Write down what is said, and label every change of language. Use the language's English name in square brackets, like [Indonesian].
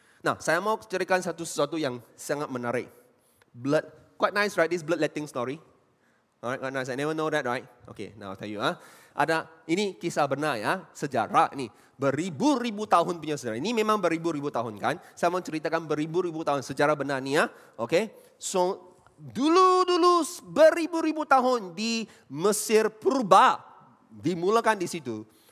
[Malay] Nah, saya mau ceritakan satu sesuatu yang sangat menarik. [English] Blood, quite nice, right? This blood letting story. Alright, quite nice. I never know that, right? Okay, now I'll tell you. [Malay] Ada, ini kisah benar ya, sejarah ini. Beribu-ribu tahun punya sejarah. Ini memang beribu-ribu tahun kan? Saya mau ceritakan beribu-ribu tahun sejarah benar ini ya. Okay, so dulu-dulu beribu-ribu tahun di Mesir Purba, dimulakan di situ.